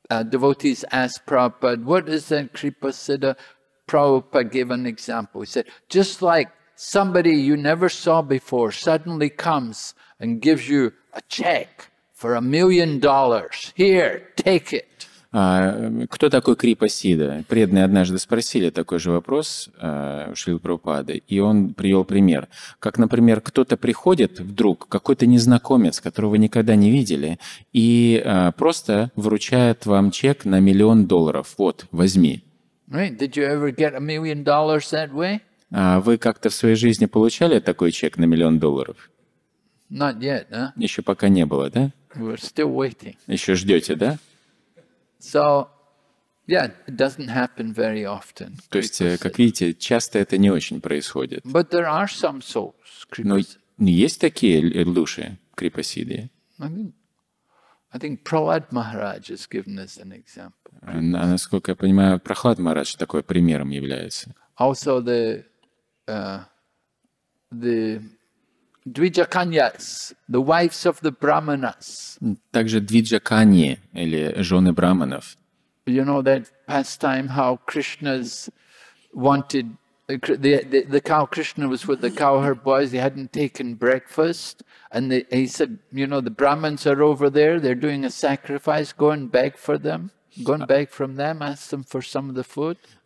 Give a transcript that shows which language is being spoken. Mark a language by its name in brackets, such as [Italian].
[English] Devotees asked Prabhupada, what is that kripa siddha? Prabhupada gave an example. He said, just like somebody you never saw before suddenly comes and gives you a check for $1,000,000. Here, take it. [Russian] Кто такой крипа сидда? Преданные однажды спросили такой же вопрос у Шрилы Прабхупады, и он привел пример. Как, например, кто-то приходит вдруг, какой-то незнакомец, которого вы никогда не видели, и просто вручает вам чек на $1,000,000. Вот, возьми. [English] Right. Did you ever get $1,000,000 that way? [Russian] Вы как-то в своей жизни получали такой чек на $1,000,000? [English] Not yet, huh? [Russian] Еще пока не было, да? [English] We're still waiting. [Russian] Еще ждете, да? [English] So, yeah, it doesn't happen very often. [Russian] То есть, как видите, часто это не очень происходит. [English] But there are some souls. [Russian] Но есть такие души крипасиды. [English] I think Prahlad Maharaj is given as an example. [Russian] Насколько я понимаю, Прахлад Махарадж такой примером является. [English] Also the Двиджаканьяс, the wives of the brahmanas. [Russian] Также двиджаканьи или жены браманов. [English] You know that pastime how Krishna's wanted the cow. Krishna was with the cowherd boys. They hadn't taken breakfast, and he said, you know, the brahmins are over there. They're doing a sacrifice. Go and beg for them. Go and beg from them, ask them for some of the food.